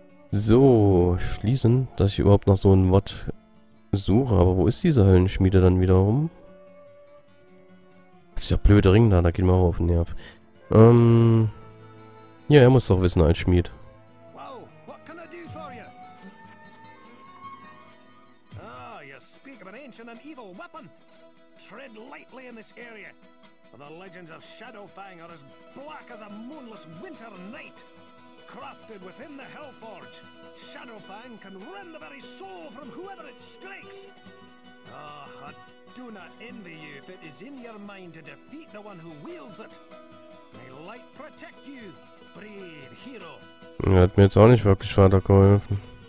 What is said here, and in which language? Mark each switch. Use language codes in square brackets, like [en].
[de] So, schließen, dass ich überhaupt noch so ein Wort suche. Aber wo ist diese Höllenschmiede dann wiederum? Das ist ja blöde Ring da geht mir auch auf den Nerv. Ja, er muss doch wissen als Schmied. [en] Wow, what can I do for you? Ah, you speak of an ancient and evil weapon. Tread lightly in this area. The legends of Shadowfang are as black as a moonless winter night. Crafted within the Hellforge, Shadowfang can rend the very soul from whoever it strikes. Ah, I do not envy you if it is in your mind to defeat the one who wields it. May light protect you, brave hero. [de] Er hat mir jetzt auch nicht wirklich weitergeholfen.